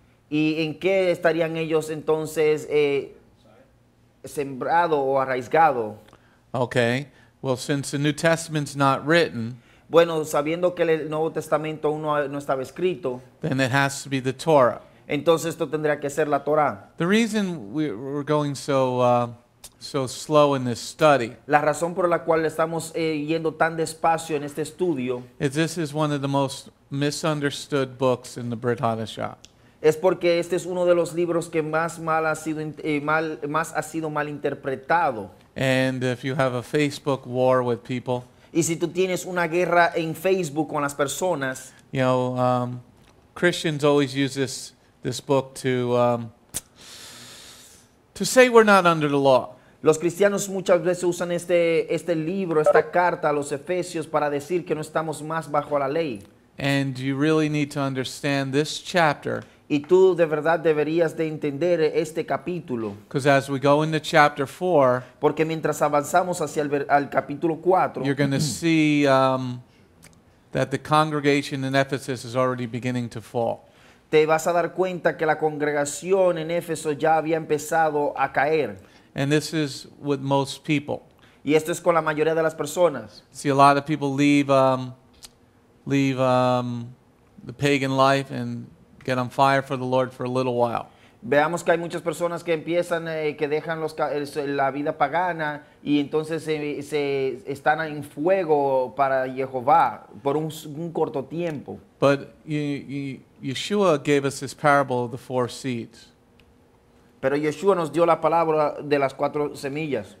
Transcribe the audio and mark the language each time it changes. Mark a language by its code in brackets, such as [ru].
[es] ¿Y en qué estarían ellos entonces sembrado o arraigado? [en] Okay. Well, since the New Testament's not written. [es] Bueno, sabiendo que el Nuevo Testamento no estaba escrito. [en] Then it has to be the Torah. [es] Entonces esto tendría que ser la Torá. [en] The reason we're going so slow in this study. [es] La razón por la cual estamos yendo tan despacio en este estudio. [en] Is this is one of the most misunderstood books in the Brit Hadashah. [es] Es porque este es uno de los libros que más ha sido mal interpretado. [en] And if you have a Facebook war with people. [es] Y si tú tienes una guerra en Facebook con las personas. [en] You know, Christians always use this book to say we're not under the law. [es] Los cristianos muchas veces usan este libro, esta carta a los Efesios para decir que no estamos más bajo la ley. [en] And you really need to understand this chapter. [es] Y tú de verdad deberías de entender este capítulo. [en] Because as we go into chapter 4, [es] porque mientras avanzamos hacia el capítulo 4, [en] you're going to see that the congregation in Ephesus is already beginning to fall. [es] Te vas a dar cuenta que la congregación en Éfeso ya había empezado a caer. [en] And this is with most people. [es] Y esto es con la mayoría de las personas. [en] See, a lot of people leave the pagan life and get on fire for the Lord for a little while. [es] Veamos que hay muchas personas que empiezan, que dejan la vida pagana y entonces se están en fuego para Jehová por un corto tiempo. [en] But Yeshua gave us this parable of the four seeds. [es] Pero Yeshua nos dio la palabra de las cuatro semillas.